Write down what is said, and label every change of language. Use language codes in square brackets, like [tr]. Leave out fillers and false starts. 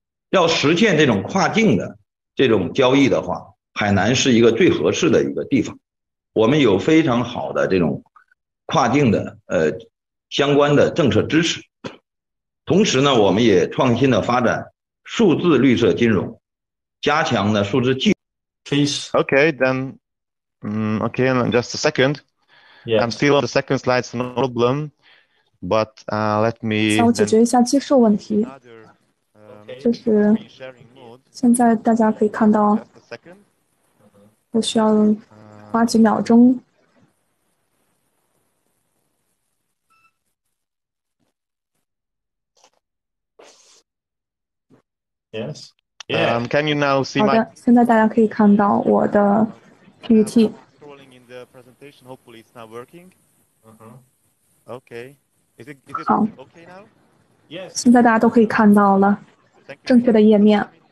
[zh] 要实现这种跨境的这种交易的话，海南是一个最合适的一个地方。我们有非常好的这种跨境的相关的政策支持，同时呢，我们也创新的发展数字绿色金融，加强的数字技术。 [en] Please. Okay, then. Okay, and just a second. Yeah. I'm still on the second slide, no problem. But let me. [zh] 想解决一下接受问题。就是现在大家可以看到，我需要花几秒钟。 [en] Yes. Can you now see my? [zh] 好的，现在大家可以看到我的 PPT。 [en] Scrolling in the presentation, hopefully it's not working. Okay. Is it okay now? Yes. [zh] 现在大家都可以看到了。正确的页面。